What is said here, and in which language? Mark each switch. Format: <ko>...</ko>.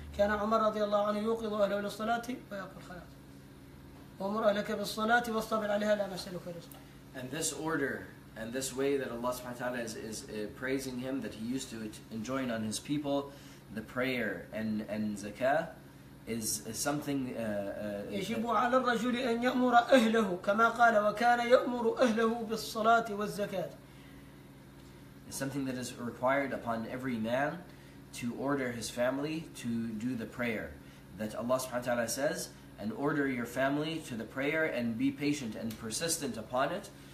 <ar>كان عمر رضي الله عنه يوقظ أهله للصلاة ويقول خلاص وأمر أهلك بالصلاة واصطبر عليها لا نسألك رزقا.</ar> <en>And this order and this way that Allah subhanahu wa ta'ala is praising him, that he used to enjoin on his people the prayer and zakah, is something</en> <ar>يجب على الرجل أن يأمر أهله كما قال وكان يأمر أهله بالصلاة والزكاة.</ar> <en>It's something that is required upon every man to order his family to do the prayer. That Allah subhanahu wa ta'ala says, and order your family to the prayer and be patient and persistent upon it.</en>